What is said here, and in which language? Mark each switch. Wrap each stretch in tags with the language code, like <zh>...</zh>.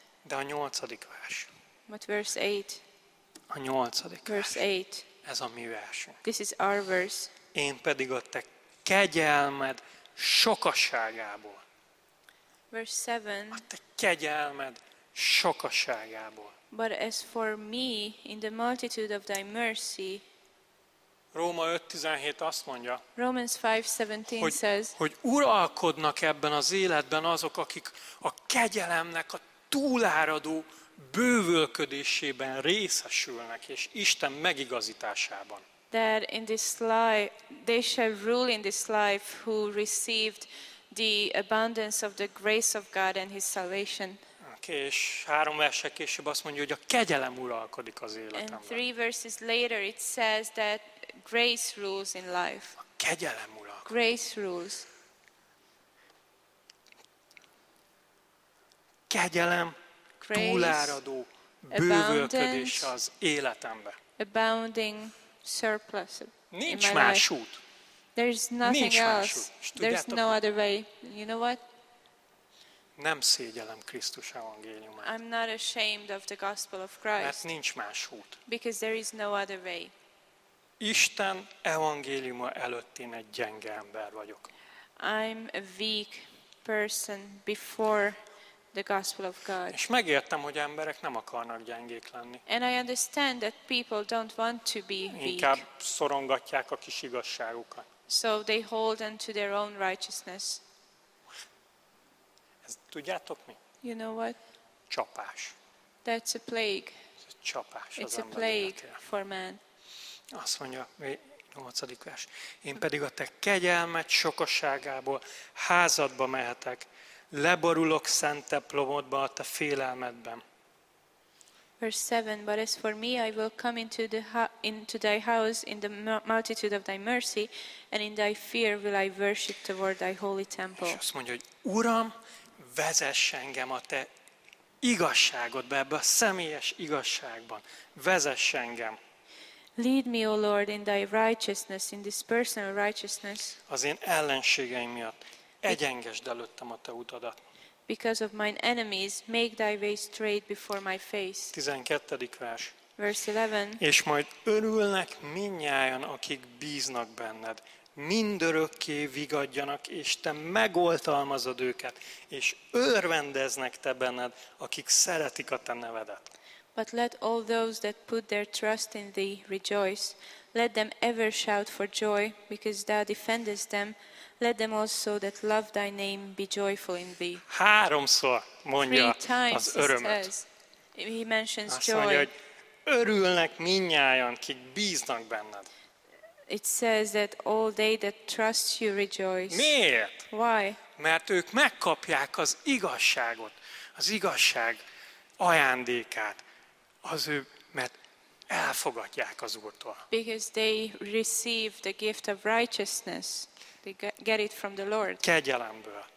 <hu>De a 8. vers.</hu> <en>But verse 8.</en> <hu>A 8.</hu> <en>verse 8.</en> <hu>Ez a mi versünk.</hu> <en>This is our verse.</en> <hu>Én pedig a te kegyelmed sokaságából.</hu> <en>Verse 7.</en> <hu>A te kegyelmed sokaságából.</hu> <en>But as for me, in the multitude of thy mercy.</en> <hu>Róma 5:17 azt mondja.</hu> <en>Romans 5:17 says.</en> <hu>Hogy uralkodnak ebben az életben azok, akik a kegyelemnek a túláradó bővölködésében részesülnek és Isten megigazításában.</hu> <en>That in this life they shall rule in this life who received the abundance of the grace of God and his salvation.</en> <hu>És 3 versek később azt mondja, hogy a kegyelem uralkodik az életemben.</hu> <en>And 3 verses later it says that grace rules in life.</en> <hu>A kegyelem uralkodik.</hu> <en>Grace rules.</en> <hu>Kegyelem túláradó bővölködés az életembe.</hu> <en>Abounding surplus.</en> <hu>Nincs más út.</hu> <en>There's nothing else. There's no other way. You know what?</en> <hu>Nem szégyellem Krisztus evangéliumát.</hu> <en>I'm not ashamed of the gospel of Christ.</en> <hu>Mert nincs más út.</hu> <en>Because there is no other way.</en> <hu>Isten evangéliuma előtt én egy gyenge ember vagyok.</hu> <en>I'm a weak person before the gospel of God.</en> <hu>És megértem, hogy emberek nem akarnak gyengék lenni.</hu> <en>And I understand that people don't want to be weak.</en> <hu>Inkább szorongatják a kis igazságukat.</hu> <en>So they hold on to their own righteousness.</en> <hu>Tudjátok mi?</hu> <en>You know what?</en> <hu>Csapás.</hu> <en>That's a plague.</en> <hu>Csapás</hu> <en>az It's a plague</en> <hu>életére.</hu> <en>For man.</en> <hu>Azt mondja, 8. vers. Én pedig a te kegyelmed sokasságából házadba mehetek, lebarulok szent templomodba a te félelmedben.</hu> <en>Verse 7, but as for me, I will come into thy house in the multitude of thy mercy, and in thy fear will I worship toward thy holy temple.</en> <hu>És azt mondja, hogy Uram, vezess engem a te igazságodba, ebbe a személyes igazságban. Vezess engem.</hu> <en>Lead me, O Lord, in thy righteousness, in this personal righteousness.</en> <hu>Az én ellenségeim miatt egyengesd előttem a te utadat.</hu> <en>Because of mine enemies, make thy way straight before my face.</en> <hu>12. vers.</hu> <en>Verse 11.</en> <hu>És majd örülnek mindnyájan, akik bíznak benned. Mindörökké vigadjanak, és te megoltalmazod őket, és örvendeznek te benned, akik szeretik a te nevedet.</hu> <en>But let all those that put their trust in thee rejoice. Let them ever shout for joy, because thou defendest them. Let them also that love thy name be joyful in thee.</en> <hu>Háromszor mondja az örömet.</hu> <en>Three times he mentions</en> <hu>Azt</hu> <en>joy.</en> <hu>Mondja, hogy örülnek mindnyájan, akik bíznak benned.</hu> <en>It says that all they that trust you rejoice.</en> <hu>Miért?</hu> <en>Why?</en> <hu>Mert ők megkapják az igazságot, az igazság ajándékát, az ő, mert elfogadják az Úrtól.</hu> <en>Because they receive the gift of righteousness. They get it from the Lord.</en> <hu>Kegyelemből.</hu>